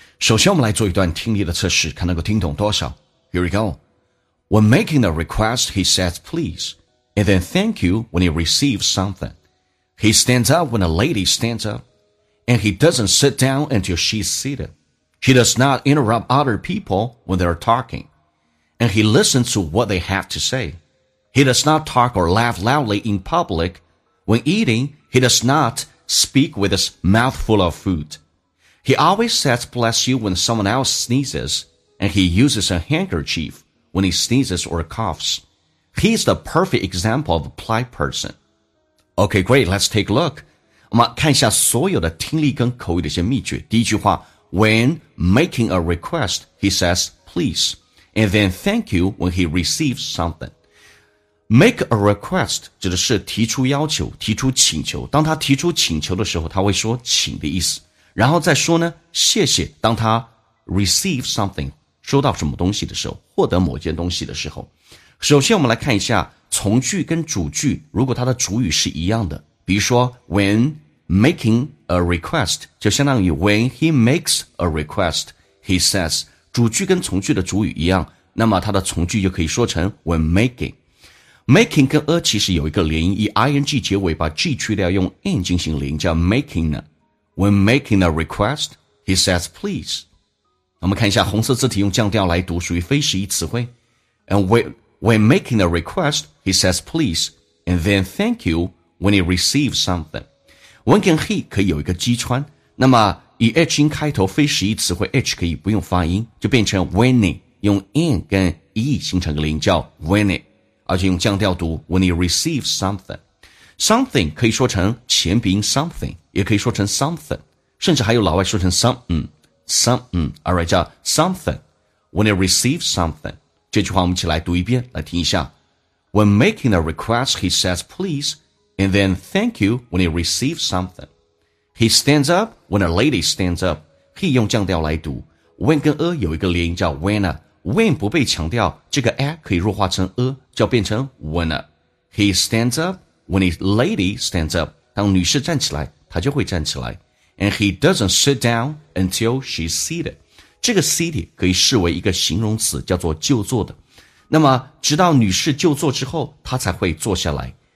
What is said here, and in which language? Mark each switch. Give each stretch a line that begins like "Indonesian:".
Chinese: 首先我们来做一段听力的测试，看能够听懂多少。
English: Here we go. When making a request, he says please, and then thank you when he receives something. He stands up when a lady stands up, and he doesn't sit down until she's seated. He does not interrupt other people when they are talking, and he listens to what they have to say. He does not talk or laugh loudly in public. When eating, he does notSpeak with his mouth full of food. He always says bless you when someone else sneezes, and he uses a handkerchief when he sneezes or coughs. He is the perfect example of a polite person. Okay, great, let's take a look.
Chinese: 我们看一下所有的听力跟口语的一些秘诀。第一句话
English: When making a request, he says please, and then thank you when he receives something. Make a request
Chinese: 指的是提出要求，提出请求。当他提出请求的时候，他会说请的意思。然后再说呢，谢谢。当他
English: receive something
Chinese: 收到什么东西的时候，获得某件东西的时候。首先我们来看一下从句跟主句，如果它的主语是一样的，比如说
English: when making a request
Chinese: 就相当于
English: when he makes a request he says，
Chinese: 主句跟从句的主语一样，那么它的从句就可以说成 when makingMaking 跟 a 其实有一个连音，以 ing 结尾，把 g 去掉，用 n 进行连音，叫 making 呢。
English: When making a request, he says please.
Chinese: 我们看一下红色字体用降调来读，属于非实义词汇。
English: And when making a request, he says please, and then thank you when he receives something.
Chinese: When 跟 he 可以有一个击穿，那么以 h 音开头非实义词汇 h 可以不用发音，就变成
English: when it，
Chinese: 用 n 跟 e 形成个连音，叫 when it。而且用降调读
English: when he receives something.
Chinese: Something 可以说成前鼻音 something, 也可以说成 something, 甚至还有老外说成 something, alright, 叫 something, when he receives something. 这句话我们一起来读一遍，来听一下。
English: When making a request, he says please, and then thank you when he receives something. He stands up when a lady stands up.
Chinese: He 用降调来读。When 跟 a 有一个连音叫
English: when a,
Chinese: When 不被强调，这个 a 可以弱化成 a， 就变成 when a。
English: He stands up when a lady stands up，
Chinese: 当女士站起来，她就会站起来。
English: And he doesn't sit down until she's seated。
Chinese: 这个 seated 可以视为一个形容词，叫做就坐的。那么直到女士就坐之后，她才会坐下来。